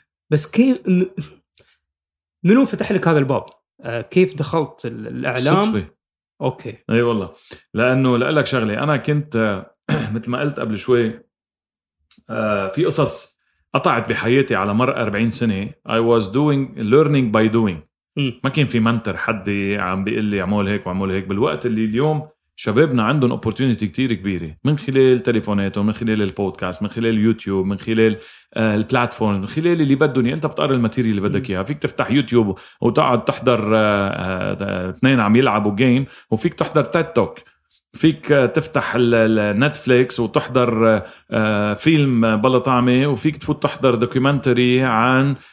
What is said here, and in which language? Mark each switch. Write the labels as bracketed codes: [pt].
[ar] بس كيف منو فتح لك هذا الباب؟ كيف دخلت الاعلام؟ صدفة. اوكي. اي والله، لانه لقلك شغلي، انا كنت مثل ما قلت قبل شوي في قصص قطعت بحياتي على مر 40 سنه. [en] I was doing learning by doing. [ar] ما كان في منتر حد عم بيقول لي اعمل هيك واعمل هيك. بالوقت اللي اليوم شبابنا عندهم opportunity كتير كبيرة، من خلال تليفوناتهم، من خلال البودكاست، من خلال يوتيوب، من خلال البلاتفورم، من خلال اللي بدهم. انت بتقرا الماتيريال اللي بدك اياها، فيك تفتح يوتيوب وتقعد تحضر اثنين عم يلعبوا جيم، وفيك تحضر تيد توك، فيك تفتح نتفليكس وتحضر فيلم بلا طعمه، وفيك تفوت تحضر دوكيومنتري عن